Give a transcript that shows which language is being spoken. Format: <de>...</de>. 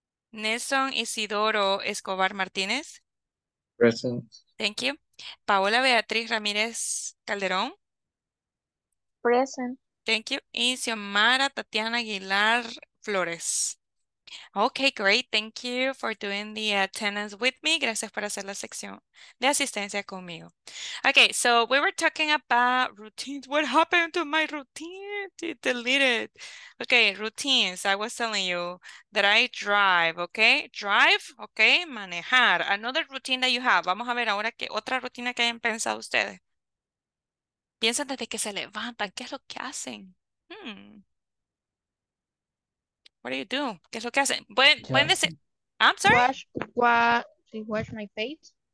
<en>Nelson Isidoro Escobar Martínez. Present. Thank you. Paola Beatriz Ramírez Calderón. Present. Thank you. Y Xiomara Tatiana Aguilar Flores. Okay, great. Thank you for doing the attendance with me.</en> <es>Gracias por hacer la sección de asistencia conmigo.</es> <en>Okay, so we were talking about routines. What happened to my routine? It deleted. Okay, routines. I was telling you that I drive, okay? Drive, okay? Manejar. Another routine that you have.</en> <es>Vamos a ver ahora qué otra rutina que hayan pensado ustedes. Piensan desde que se levantan, ¿qué es lo que hacen?</es> <en>What do you do?</en> <es>¿Qué es lo que hacen? ¿Pueden decir?</es> <en>I'm sorry. Wash my face.</en>